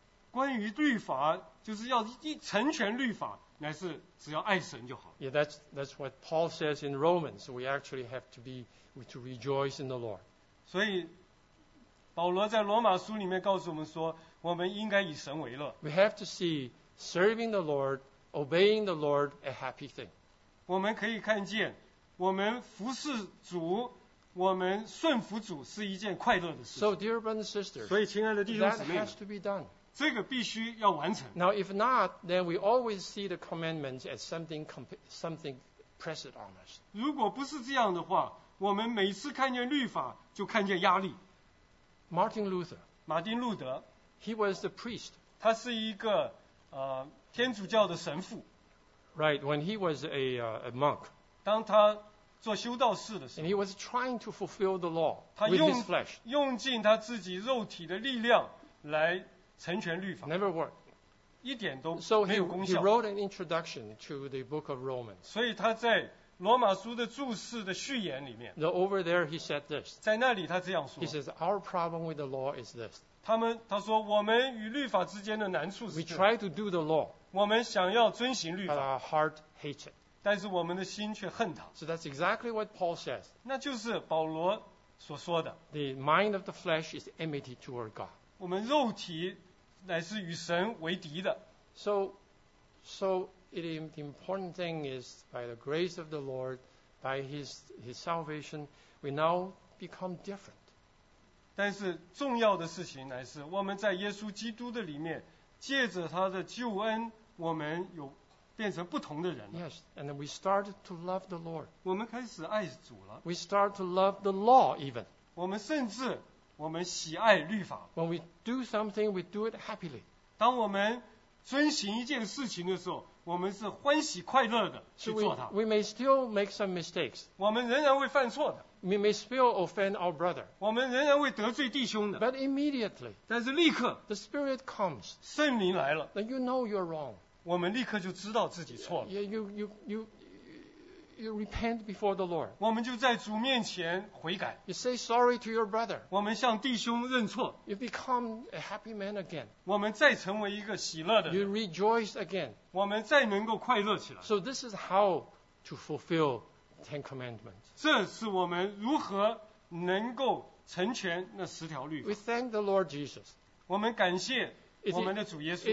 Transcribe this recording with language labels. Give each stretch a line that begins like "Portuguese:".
Chinese: 关于律法，就是要成全律法，乃是只要爱神就好。
English: Yeah, that's what Paul says in Romans. We actually have to be to rejoice in the Lord.
Chinese: 所以保罗在罗马书里面告诉我们说，我们应该以神为乐。
English: We have to see serving the Lord, obeying the Lord, a happy thing.
Chinese: 我们可以看见，我们服侍主，我们顺服主是一件快乐的事。
English: So dear brothers and sisters,
Chinese: 所以亲爱的弟兄姊妹
English: ，that has to be done.
Chinese: 这个必须要完成。
English: Now if not, then we always see the commandments as something pressed on us.
Chinese: 如果不是这样的话，我们每次看见律法就看见压力。
English: Martin Luther,
Chinese: 马丁路德
English: ，he was the priest.
Chinese: 他是一个天主教的神父。
English: Right, when he was a monk.
Chinese: 当他做修道士的时候
English: ，and he was trying to fulfill the law with his flesh.
Chinese: 他用尽他自己肉体的力量来成全律法。
English: Never worked.
Chinese: 一点都没有功效。
English: So he wrote an introduction to the book of Romans.
Chinese: 所以他在罗马书的注释的序言里面
English: ，So over there he said this.
Chinese: 在那里他这样说。
English: He says our problem with the law is this.
Chinese: 他说我们与律法之间的难处是。
English: We try to do the law.
Chinese: 我们想要遵行律法。
English: But our heart hates it.
Chinese: 但是我们的心却恨他。
English: So that's exactly what Paul says.
Chinese: 那就是保罗所说的。
English: The mind of the flesh is enmity toward God.
Chinese: 我们肉体乃是与神为敌的。
English: So it is the important thing is by the grace of the Lord, by his salvation, we now become different.
Chinese: 但是重要的事情乃是我们在耶稣基督的里面，借着他的救恩，我们有变成不同的人了。
English: Yes, and we start to love the Lord.
Chinese: 我们开始爱主了。
English: We start to love the law even.
Chinese: 我们甚至我们喜爱律法。
English: When we do something, we do it happily.
Chinese: 当我们遵行一件事情的时候，我们是欢喜快乐的去做它。
English: We may still make some mistakes.
Chinese: 我们仍然会犯错的。
English: We may still offend our brother.
Chinese: 我们仍然会得罪弟兄的。
English: But immediately,
Chinese: 但是立刻
English: ，the Spirit comes.
Chinese: 圣灵来了。
English: Then you know you're wrong.
Chinese: 我们立刻就知道自己错了。
English: Yeah, you repent before the Lord.
Chinese: 我们就在主面前悔改。
English: You say sorry to your brother.
Chinese: 我们向弟兄认错。
English: You become a happy man again.
Chinese: 我们再成为一个喜乐的人。
English: You rejoice again.
Chinese: 我们再能够快乐起来。
English: So this is how to fulfill Ten Commandments.
Chinese: 这是我们如何能够成全那十条律法。
English: We thank the Lord Jesus.
Chinese: 我们感谢我们的主耶稣。